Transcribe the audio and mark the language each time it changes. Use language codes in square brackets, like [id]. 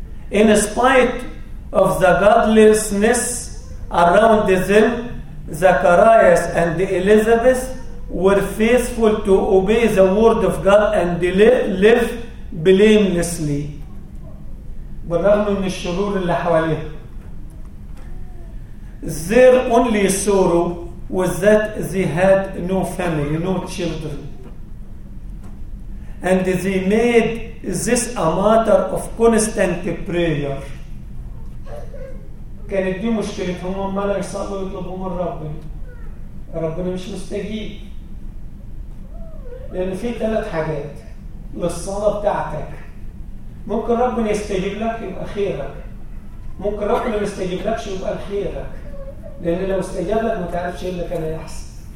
[en] In spite of the godlessness around them, Zacharias and Elizabeth were faithful to obey the word of God and live blamelessly. [ar] بالرغم من الشرور اللي حواليه. [en] Their only sorrow was that they had no family, no children. And they made this a matter of constant prayer. [ar] كانت دي مشكلتهم, هم عمالة يصلوا ويطلبوا من ربنا. ربنا مش مستجيب. لأن في 3 حاجات للصلاة بتاعتك. ممكن ربنا يستجيب لك يبقى خيرك. ممكن ربنا ما يستجيب لكش يبقى خيرك. لأن لو استجاب لك ما تعرفش إيه اللي كان يحصل.